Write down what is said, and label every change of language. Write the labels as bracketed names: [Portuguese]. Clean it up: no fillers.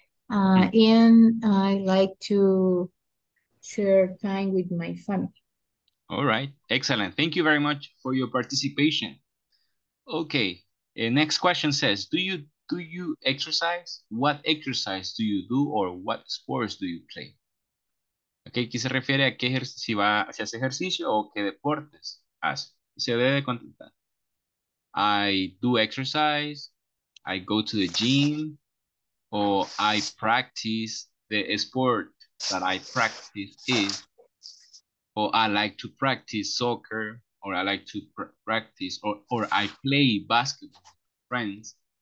[English] and I like to share time with my family. All right, excellent. Thank you very much for your participation. Okay, next question says, do you do you exercise? What exercise do you do or what sports do you play? [Spanish] Ok, aquí se refiere a qué ejercicio, si va, si hace ejercicio o qué deportes hace. Se debe contestar. [English] I do exercise, I go to the gym, or I practice the sport that I practice is, or I like to practice soccer, or I like to practice, or I play basketball with friends.